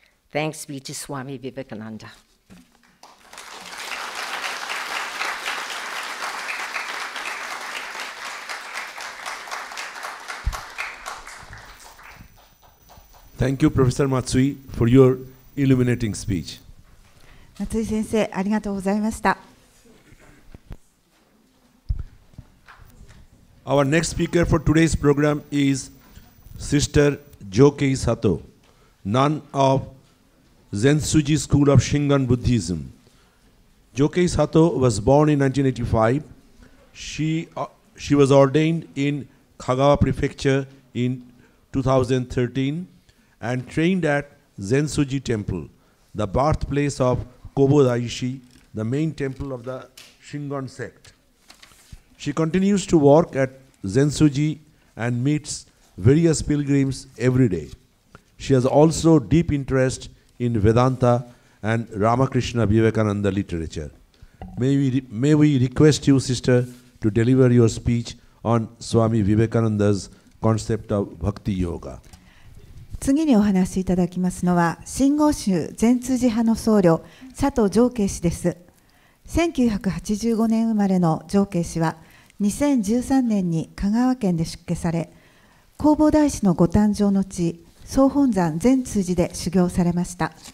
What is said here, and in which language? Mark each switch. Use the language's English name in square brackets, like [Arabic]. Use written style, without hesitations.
[English] Thanks be to Swami Vivekananda. Thank you, Professor Matsui, for your illuminating speech. [Japanese] 松井先生、ありがとうございました。 [English] Our next speaker for today's program is Sister Jokei Sato, nun of Zensuji School of Shingon Buddhism. Jokei Sato was born in 1985. She was ordained in Kagawa Prefecture in 2013 and trained at Zensuji Temple, the birthplace of Kobo Daishi, the main temple of the Shingon sect. She continues to work at Zensuji and meets various pilgrims every day. She has also deep interest in Vedanta and Ramakrishna Vivekananda literature. May we request you, sister, to deliver your speech on Swami Vivekananda's concept of bhakti yoga. [Japanese] 次にお話しいただきますのは、真言宗善通寺派の僧侶、佐藤常慶氏です。 1985年生まれの常慶氏は、2013年に香川県で出家され、弘法大師のご誕生の地、総本山善通寺で修行されました。